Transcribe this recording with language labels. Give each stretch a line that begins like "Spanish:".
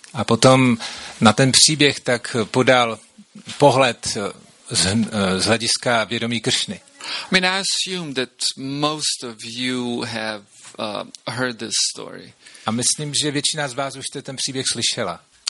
Czech: A potom na ten příběh tak podal pohled z hlediska vědomí Kršny.
English: I mean, I assume that most of you have heard this story.
Czech: A myslím, že většina z vás už ten příběh slyšela.